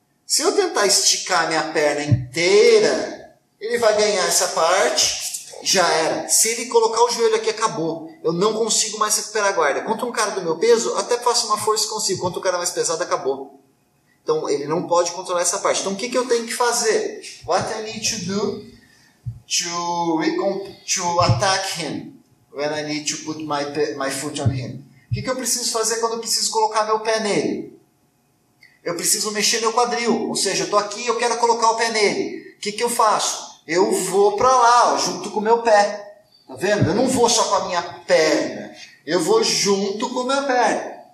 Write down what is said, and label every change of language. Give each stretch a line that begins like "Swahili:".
Portuguese: Se eu tentar esticar minha perna inteira, ele vai ganhar essa parte, já era. Se ele colocar o joelho aqui, acabou. Eu não consigo mais recuperar a guarda. Contra um cara do meu peso, até faço uma força e consigo. Contra um cara mais pesado, acabou. Então, ele não pode controlar essa parte. Então, o que eu tenho que fazer?
English: What I need to do to attack him when I need to put my foot on him.
Portuguese: O que eu preciso fazer quando eu preciso colocar meu pé nele? Eu preciso mexer meu quadril. Ou seja, eu estou aqui e eu quero colocar o pé nele. O que eu faço? Eu vou para lá, ó, junto com o meu pé. Tá vendo? Eu não vou só com a minha perna. Eu vou junto com o meu pé.